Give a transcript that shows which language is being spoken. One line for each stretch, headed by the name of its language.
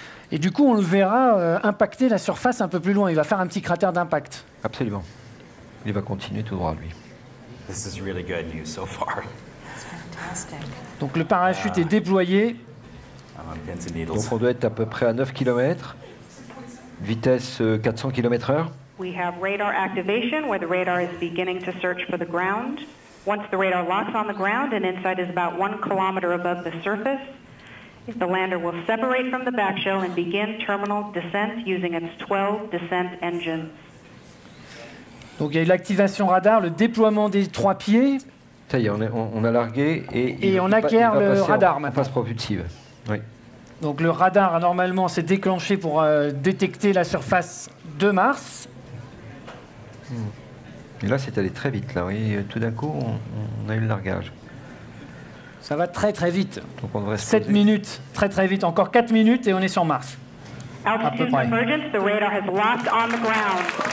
French: Et du coup, on le verra impacter la surface un peu plus loin. Il va faire un petit cratère d'impact. Absolument. Il va continuer tout droit, lui.
English: This is really good news so far.
French: Donc le parachute est déployé. Donc on doit être à peu près à 9 km. Vitesse 400 km/h.
English: We have radar activation where the radar is beginning to search for the ground. Once the radar locks on the ground and InSight is about 1 km above the surface, the lander will separate from the back shell and begin terminal descent using its 12 descent engines.
French: Donc il y a l'activation radar, le déploiement des trois pieds. Ça y est, on a largué et on acquiert le radar en phase propulsive. Oui. Donc le radar normalement s'est déclenché pour détecter la surface de Mars. Et là c'est allé très vite là, oui, tout d'un coup on a eu le largage. Ça va très très vite. Donc on devrait 7 minutes, très très vite, encore 4 minutes et on est sur Mars. À peu près.
English: Emergence, the radar has locked on the ground.